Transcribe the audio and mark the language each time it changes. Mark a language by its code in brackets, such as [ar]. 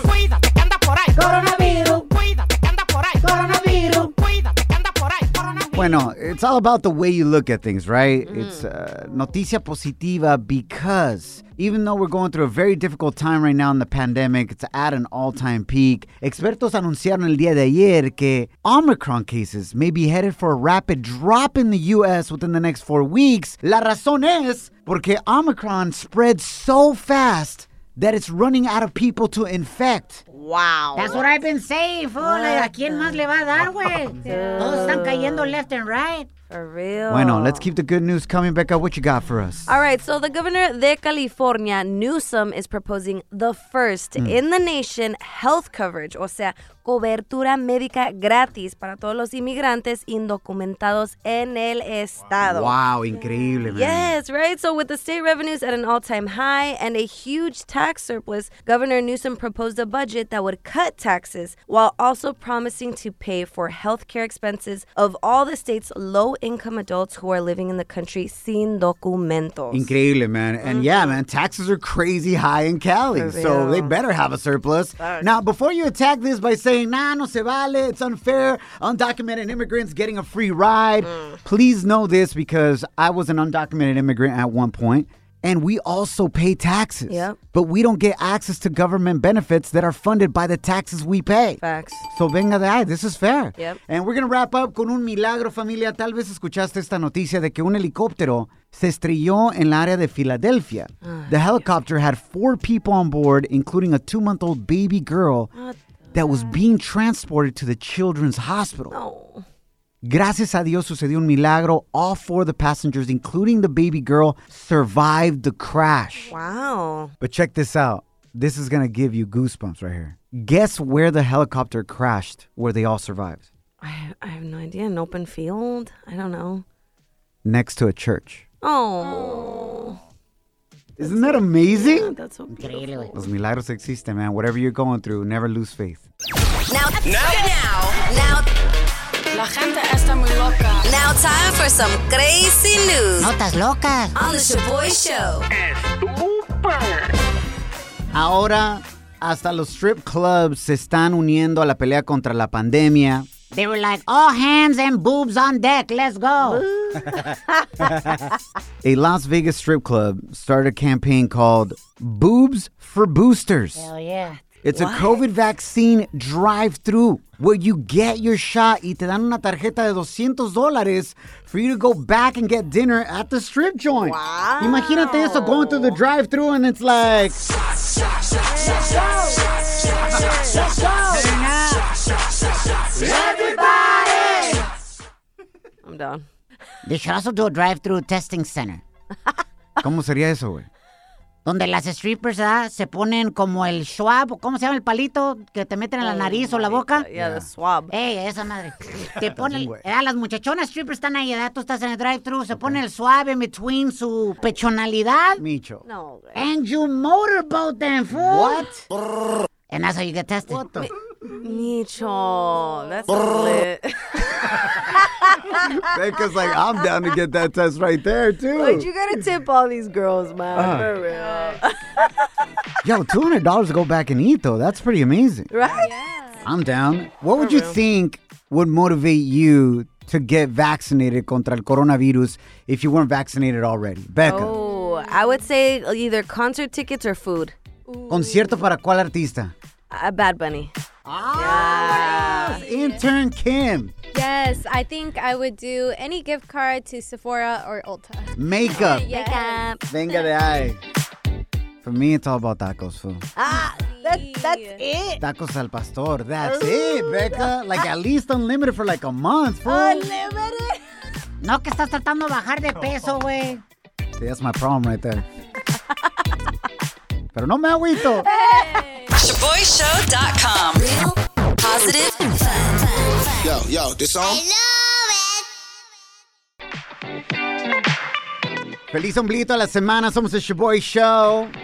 [es] Cuídate, que anda por ahí. Coronavirus. Cuídate, que anda por ahí. Coronavirus. Cuídate, que anda por ahí. Coronavirus. [en] Bueno, it's all about the way you look at things, right? Mm. It's [es] noticia positiva [en] because even though we're going through a very difficult time right now in the pandemic, it's at an all-time peak. [es] Expertos anunciaron el día de ayer que [en] Omicron cases may be headed for a rapid drop in the U.S. within the next 4 weeks. [es] La razón es porque [en] Omicron spreads so fast that it's running out of people to infect. Wow. That's what I've been saying, fool. [es] Like, ¿a quién más le va a dar, güey? Todos están cayendo [en] left and right. For real. Bueno, let's keep the good news coming, Becca. What you got for us? All right, so the governor de California, Newsom, is proposing the first in the nation health coverage, [es] o sea, cobertura médica gratis para todos los inmigrantes indocumentados en el estado. [en] Wow, increíble, man. Yes, right? So with the state revenues at an all-time high and a huge tax surplus, Governor Newsom proposed a budget that would cut taxes while also promising to pay for health care expenses of all the state's low income adults who are living in the country [es] sin documentos. [en] Increíble, man. And yeah, man, taxes are crazy high in Cali, so they better have a surplus. Thanks. Now, before you attack this by saying, nah, [es] no se vale, [en] it's unfair, undocumented immigrants getting a free ride, please know this, because I was an undocumented immigrant at one point, and we also pay taxes. Yep. But we don't get access to government benefits that are funded by the taxes we pay. Facts. So [es] venga de ahí, [en] this is fair. Yep. And we're going to wrap up [es] con un milagro, familia. Tal vez escuchaste esta noticia de que un helicóptero se estrelló en el área de Filadelfia. [en] The helicopter had 4 people on board, including a 2-month-old baby girl that was being transported to the children's hospital. No. [es] Gracias a Dios sucedió un milagro. [en] All 4 of the passengers, including the baby girl, survived the crash. Wow. But check this out. This is going to give you goosebumps right here. Guess where the helicopter crashed where they all survived? I have no idea. An open field? I don't know. Next to a church. Oh. Isn't that amazing? Yeah, that's so beautiful. [es] Los milagros existen, man. [en] Whatever you're going through, never lose faith. Now. [es] La gente está muy loca. [en] Now time for some crazy news. [es] Notas locas. [en] On the Shaboy Show. [es] Estupendo. Ahora, hasta los strip clubs se están uniendo a la pelea contra la pandemia. [en] They were like, all hands and boobs on deck. Let's go. A Las Vegas strip club started a campaign called Boobs for Boosters. Hell yeah. It's a COVID vaccine drive-thru where you get your shot [es] y te dan una tarjeta de [en] $200 for you to go back and get dinner at the strip joint. Wow. [es] Imagínate eso, [en] going through the drive-thru and it's like... Everybody! I'm done. They should also do a drive-thru testing center. [es] ¿Cómo sería eso, güey? Donde las strippers, ¿verdad? Se ponen como el swab, ¿cómo se llama el palito que te meten en la nariz o la boca? [en] Yeah, the swab. [es] Ey, esa madre. Te ponen, las muchachonas strippers están ahí, ¿verdad? Tú estás en el drive-thru, se pone el swab [en] in between [es] su pechonalidad. Micho. No, güey. [en] And you motorboat them, fool. What? And that's how you get tested. What the? Micho. That's lit. Becca's like, I'm down to get that test right there, too. But you gotta tip all these girls, man. For real. Yo, $200 to go back and eat, though. That's pretty amazing. Right? Yeah. I'm down. What would you think would motivate you to get vaccinated [es] contra el coronavirus [en] if you weren't vaccinated already? Becca. Oh, I would say either concert tickets or food. [es] ¿Concierto para cuál artista? Bad Bunny. [en] Yes. Intern Kim. Yes, I think I would do any gift card to Sephora or Ulta. Makeup. Yes. Makeup. [es] Venga de ahí. [en] For me, it's all about tacos, fool. That's it. Tacos al pastor. That's it, Becca. Like, at least unlimited for like a month, fool. Unlimited? [es] No, que estás tratando de bajar de peso, güey. [en] See, that's my problem right there. [es] Pero no me agüito. [en] Shaboyshow.com. Real, positive, and fun. Yo, this song? I love it. [es] Feliz ombliguito a la semana. Somos the Shaboy Show.